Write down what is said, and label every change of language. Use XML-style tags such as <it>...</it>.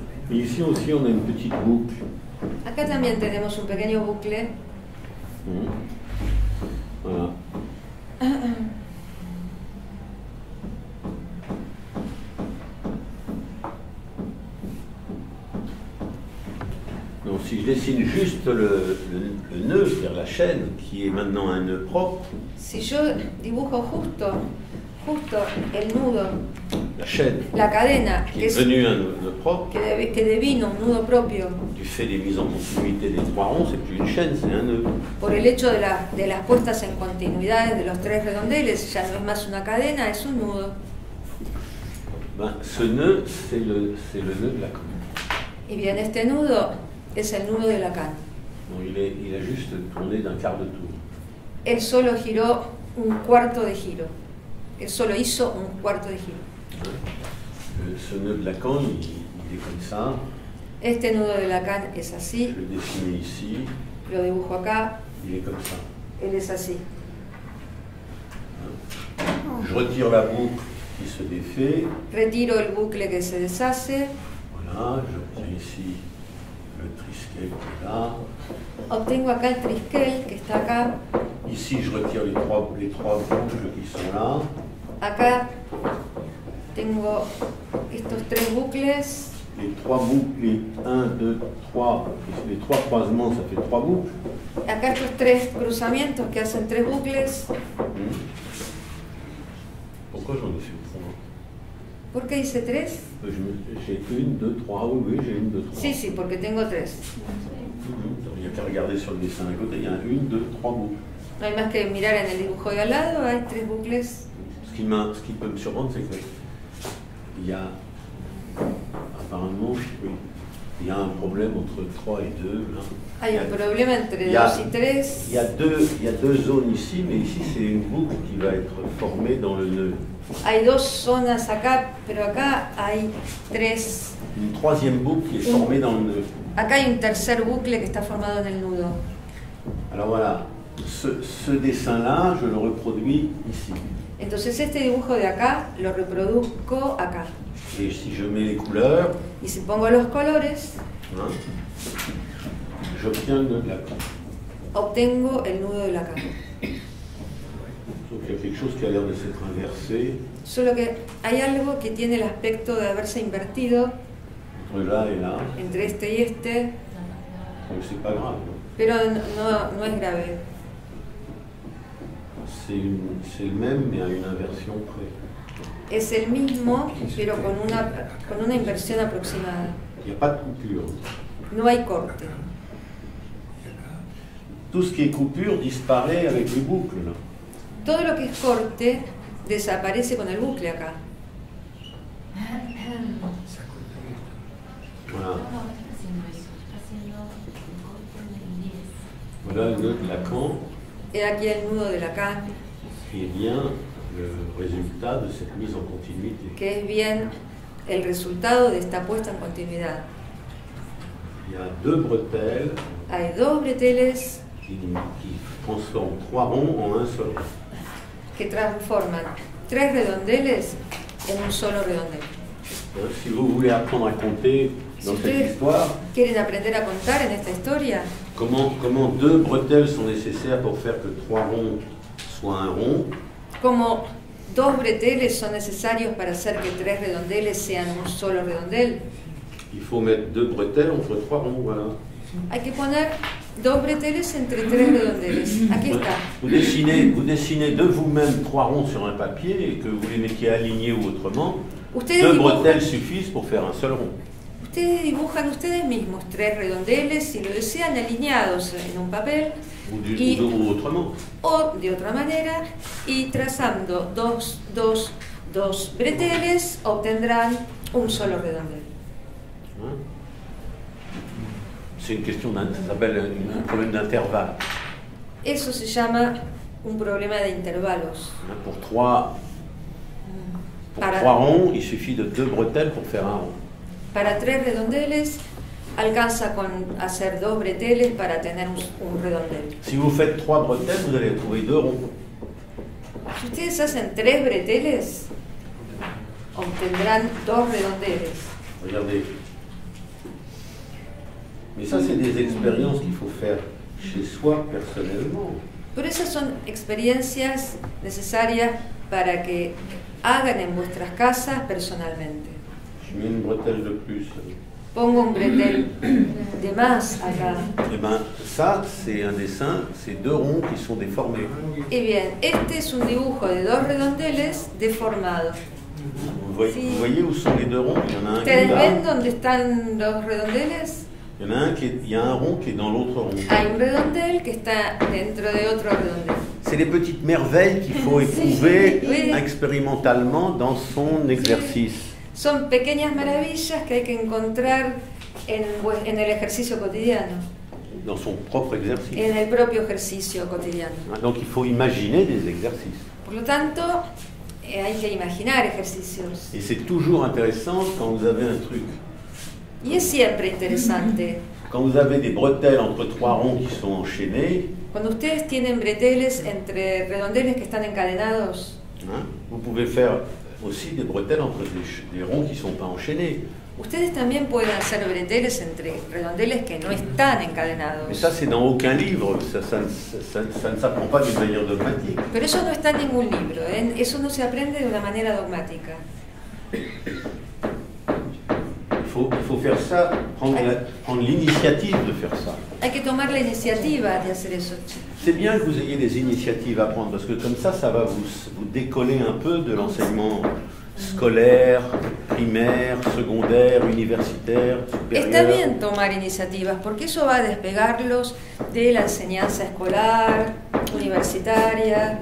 <fr>Et ici aussi, on a une petite boucle.</fr> <es>Acá también tenemos un pequeño bucle.</es> <fr>Voilà. Donc si je dessine juste le nœud vers la chaîne, qui est maintenant un nœud propre.</fr> <es>Si je dibujo justo el nudo.</es> <fr>La chaîne.</fr> <es>La cadena.</es> <fr>Qui est devenue un nœud propre.</fr> <es>Que devino un nudo propio.</es> <fr>Du fait des mises en continuité des trois ronds, c'est plus une chaîne, c'est un nœud.</fr> <es>Por el hecho de las puestas en continuidad de los tres redondeles, ya no es más una cadena, es un nudo.</es> <fr>Ben, ce nœud, c'est le nœud de la</fr> <es>cadena. Y bien, este nudo. Es el nudo de Lacan.</es> <fr>Bon, il a juste tourné d'un quart de tour.</fr> <es>Él solo giró un cuarto de giro. Él solo hizo un cuarto de giro.</es> <fr>Ce nœud de Lacan, il est comme ça.</fr> <es>Este nudo de Lacan es así.</es> <fr>Je le dessine ici.</fr> <es>Lo dibujo acá.</es> <fr>Il est comme ça.</fr> <es>Él es así.</es> <fr>Je retire la boucle qui se défait.</fr> <es>Retiro el bucle que se deshace.</es> <fr>Voilà, je retire ici. Le triskel qui est là.</fr> <es>Obtengo acá el triskel que está acá.</es> <fr>Ici, je retire les trois boucles qui sont là.</fr> <es>Acá tengo estos tres bucles.</es> <fr>Les trois boucles, 1, 2, 3, les trois croisements, ça fait trois boucles.</fr> <es>Acá estos tres cruzamientos que hacen tres bucles.</es> <fr>Pourquoi j'en ai fait trois? Pourquoi</fr> <es>dice tres?</es> <fr>J'ai une, deux, trois. Oui, j'ai une, deux, trois.</fr> <es>Si, si, porque tengo tres.</es> <fr>Il n'y a qu'à regarder sur le dessin à côté, il y a une, deux, trois boucles.</fr> <es>No hay más que mirar en el dibujo de al lado, hay tres boucles.</es> <fr>Ce qui peut me surprendre, c'est que il y a apparemment, oui, il y a un problème entre 3 et 2. Là.</fr> <es>Hay un problema entre 2 y 3.</es> <fr>Il y a deux zones ici, mais ici c'est une boucle qui va être formée dans le nœud.</fr> <es>Hay dos zonas acá, pero acá hay tres.</es> <fr>Une troisième boucle qui est formée dans le nœud.</fr> <es>Acá hay un tercer bucle que está formado en el nudo.</es> <fr>Alors voilà, ce dessin-là, je le reproduis ici.</fr> <es>Entonces este dibujo de acá lo reproduzco acá.</es> <fr>Et si je mets les couleurs.</fr> <es>Y si pongo los colores.</es> <fr>Hein, j'obtiens le nœud de Lacan.</fr> <es>Obtengo el nudo de Lacan.</es> <fr>Il y a quelque chose qui a l'air de s'être inversé.</fr> <es>Solo que hay algo que tiene el aspecto de haberse invertido.</es> <fr>Entre là et là.</fr> <es>Entre este y este.</es> <fr>Mais c'est pas grave.</fr> <es>Pero no es grave.</es> <fr>C'est le même, mais à une inversion près.</fr> <es>Es el mismo, pero con una inversión aproximada.</es> <fr>Il n'y a pas de coupure.</fr> <es>No hay corte.</es> <fr>Tout ce qui est coupure disparaît avec les boucles, là.</fr> <es>Todo lo que es corte desaparece con el bucle acá.</es> <fr>Voilà. Voilà le nœud de Lacan. Et</fr> <es>aquí el nudo de Lacan.</es> <fr>Qui est bien le résultat de cette mise en continuité.</fr> <es>Que es bien el resultado de esta puesta en continuidad.</es> <fr>Il y a deux bretelles.</fr> <es>Hay dos breteles.</es> <fr>Qui transforment trois ronds en un seul rond.</fr> <es>Que transforman tres redondeles en un solo redondel.</es> <fr>Si vous voulez apprendre à compter dans cette histoire,</fr> <es>quieren aprender a contar en esta historia,</es> <fr>comment deux bretelles sont nécessaires pour faire que trois ronds soient un rond?</fr> <es>Como dos</es> <fr>bretelles sont nécessaires pour faire que trois redondelles soient un seul redondel. Il faut mettre deux bretelles entre trois ronds, voilà.</fr> <es>Hay que poner dos bretelles entre tres redondeles. Aquí está.</es> <fr>Vous dessinez de vous-même trois ronds sur un papier et que vous les mettiez alignés ou autrement, deux bretelles suffisent pour faire un seul rond.</fr> <es>Ustedes dibujan ustedes mismos tres redondeles si lo desean alineados en un papel</es> <fr>ou</fr> <es>de otra manera y trazando dos bretelles obtendrán un solo redondel.</es> <fr>C'est une question d'intervalle, un problème d'intervalle.</fr> <es>Eso se llama un problema de intervalos.</es> <fr>Pour trois ronds, il suffit de deux bretelles pour faire un rond.</fr> <es>Para tres redondeles alcanza con hacer dos bretelles para tener un redondel.</es> <fr>Si vous faites trois bretelles, vous allez trouver deux ronds.</fr> <es>Si ustedes hacen tres bretelles, obtendrán dos redondeles.</es> <fr>Regardez. Mais ça, c'est des expériences qu'il faut faire chez soi, personnellement.</fr> <es>Pero esas son experiencias necesarias para que hagan en vuestras casas personalmente.</es> <fr>Je mets une bretelle de plus.</fr> <es>Pongo un bretel de más acá.</es> <fr>Et bien, ça, c'est un dessin, c'est deux ronds qui sont déformés. Et bien,</fr> <es>este es un dibujo de dos redondeles deformados.</es> <fr>Vous voyez où sont les deux ronds? Il y en a un qui est là.</fr> <es>¿Ustedes ven dónde están los redondeles?</es> <fr>Il y en a un qui est, il y a un rond qui est dans l'autre rond.</fr> <es>Hay un redondel que está dentro de otro redondel.</es> <fr>C'est les petites merveilles qu'il faut éprouver expérimentalement dans son exercice.</fr> <es>Son pequeñas maravillas que hay que encontrar en el ejercicio cotidiano.</es> <fr>Dans son propre exercice.</fr> <es>En el propio ejercicio cotidiano.</es> <fr>Donc il faut imaginer des exercices.</fr> <es>Por lo tanto, hay que imaginar ejercicios.</es> <fr>Et c'est toujours intéressant quand vous avez un truc.</fr> <es>Y es siempre interesante.</es> <fr>Quand vous avez des bretelles entre trois ronds qui sont enchaînés.</fr> <es>Cuando ustedes tienen bretelles entre redondeles que están encadenados.</es> <fr>Hein, vous pouvez faire aussi des bretelles entre des ronds qui sont pas enchaînés.</fr> <es>Ustedes también pueden hacer bretelles entre redondeles que no están encadenados.</es> <fr>Mais ça c'est dans aucun livre, ça ne s'apprend pas d'une manière dogmatique.</fr> <es>Pero eso no está en ningún libro, ¿eh? Eso no se aprende de una manera dogmática.</es> <fr>Il faut faire ça, prendre l'initiative de faire ça.</fr> <es>Hay que tomar la iniciativa de hacer eso.</es> <fr>C'est bien que vous ayez des initiatives à prendre, parce que comme ça, ça va vous décoller un peu de l'enseignement scolaire, primaire, secondaire, universitaire, supérieur.</fr> <es>Está bien tomar iniciativas, porque eso va a despegarlos de la enseñanza escolar, universitaria.</es>